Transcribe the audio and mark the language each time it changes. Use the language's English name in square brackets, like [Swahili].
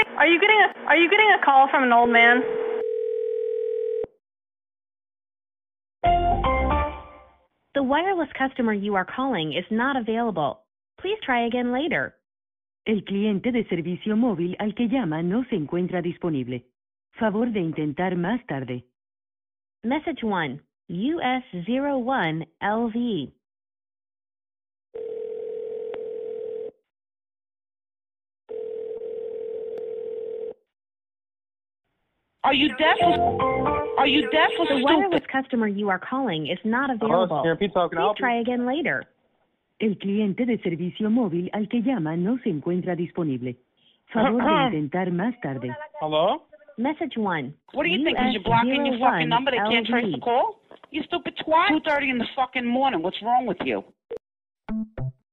[English] Are you getting a call from an old man? The wireless customer you are calling is not available. Please try again later. [Spanish] El cliente de servicio móvil al que llama no se encuentra disponible. Favor de intentar más tarde. [English] Message 1. US01LV. Are you deaf? The wireless customer you are calling is not available. Please try again later. [Spanish] El cliente de servicio móvil al que llama no se encuentra disponible. Favor de intentar más tarde. [English] Hello? Message one. What do you think? Because you're blocking your fucking number, they can't trace the call? You stupid twat. 2:30 in the fucking morning. What's wrong with you?